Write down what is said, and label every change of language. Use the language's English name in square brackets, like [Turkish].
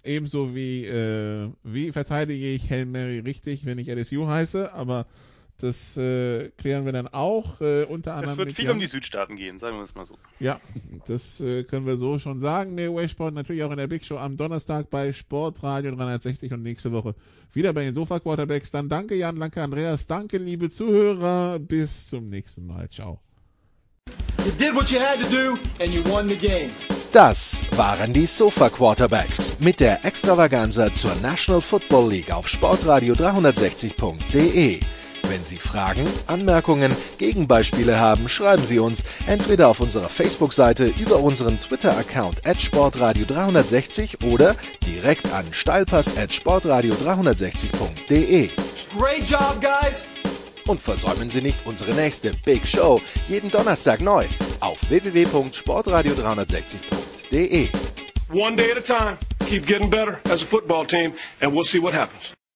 [German] Ebenso wie verteidige ich Hail Mary richtig, wenn ich LSU heiße, aber das klären wir dann auch unter anderem. Es wird viel um die Südstaaten gehen, sagen wir es mal so. Ja, das können wir so schon sagen. Nee, Wesport natürlich auch in der Big Show am Donnerstag bei Sportradio 360 und nächste Woche wieder bei den Sofa Quarterbacks. Dann danke Jan, danke Andreas, danke liebe Zuhörer. Bis zum nächsten Mal. Ciao. [English] You did what you had to do and you won the game. [German] Das waren die Sofa Quarterbacks mit der Extravaganza zur National Football League auf sportradio360.de. Wenn Sie Fragen, Anmerkungen, Gegenbeispiele haben, schreiben Sie uns entweder auf unserer Facebook-Seite über unseren Twitter-Account @sportradio360 oder direkt an steilpass@sportradio360.de. [English] Great job, guys! [German] Und versäumen Sie nicht unsere nächste Big Show jeden Donnerstag neu auf www.sportradio360.de. [English] One day at a time, keep getting better as a football team and we'll see what happens.